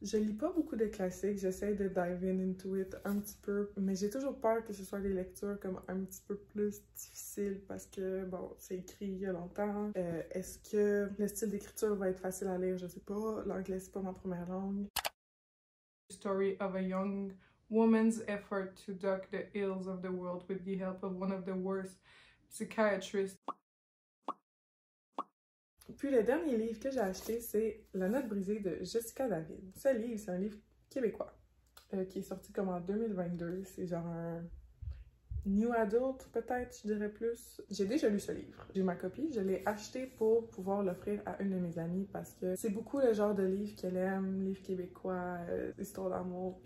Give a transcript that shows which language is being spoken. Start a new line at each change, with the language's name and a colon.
French: Je lis pas beaucoup de classiques, j'essaie de
English: dive in into it
French: un petit peu, mais j'ai toujours peur que ce soit des lectures comme un petit peu plus difficiles parce que, bon, c'est écrit il y a longtemps. Est-ce que le style d'écriture va être facile à lire? Je sais pas, l'anglais c'est pas ma première langue.
English: Story of a young woman's effort to duck the ills of the world with the help of one of the worst psychiatrists.
French: Puis le dernier livre que j'ai acheté, c'est La note brisée de Jessica David. Ce livre, c'est un livre québécois qui est sorti comme en 2022. C'est genre un new adult, peut-être, je dirais plus. J'ai déjà lu ce livre. J'ai ma copie. Je l'ai acheté pour pouvoir l'offrir à une de mes amies parce que c'est beaucoup le genre de livre qu'elle aime, livre québécois, histoire d'amour.